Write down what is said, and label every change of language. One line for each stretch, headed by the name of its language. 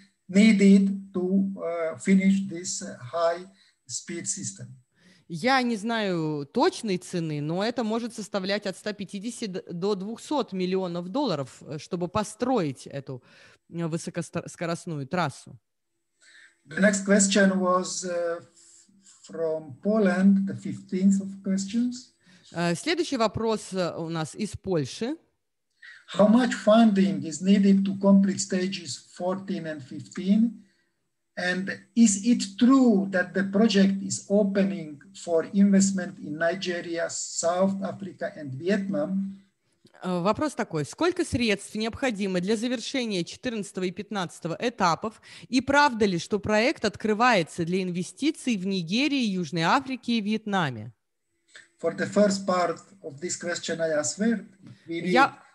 English: Needed to finish this high-speed system.
Russian: Я не знаю точной цены, но это может составлять от 150 до $200 million, чтобы построить эту высокоскоростную трассу.
English: The next question was from Poland, the 15th of questions.
Russian: Следующий вопрос у нас из Польши.
English: How much funding is needed to complete stages 14 and 15? And is it true that the project is opening for investment in Nigeria, South Africa and Vietnam?
Russian: Вопрос такой. Сколько средств необходимо для завершения 14 и 15 этапов? И правда ли, что проект открывается для инвестиций в Нигерии, Южной Африке и Вьетнаме?
English: For the first part of this question I answered, we need...